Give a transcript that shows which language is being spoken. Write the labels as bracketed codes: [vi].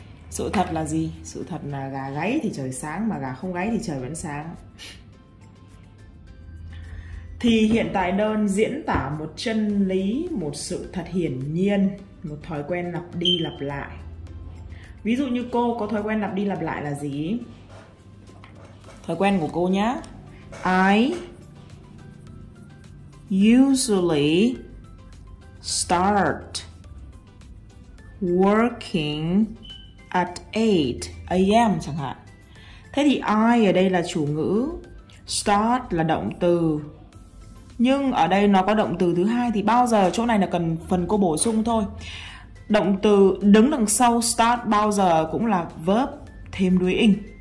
[vi] Sự thật là gì? Sự thật là gà gáy thì trời sáng, mà gà không gáy thì trời vẫn sáng. Thì hiện tại đơn diễn tả một chân lý, một sự thật hiển nhiên, một thói quen lặp đi lặp lại. Ví dụ như cô có thói quen lặp đi lặp lại là gì? Thói quen của cô nhá. [en] I usually start working at 8 a.m. [vi] chẳng hạn. Thế thì I ở đây là chủ ngữ, start là động từ. Nhưng ở đây nó có động từ thứ hai thì bao giờ chỗ này là cần phần cô bổ sung thôi. Động từ đứng đằng sau start bao giờ cũng là verb thêm doing.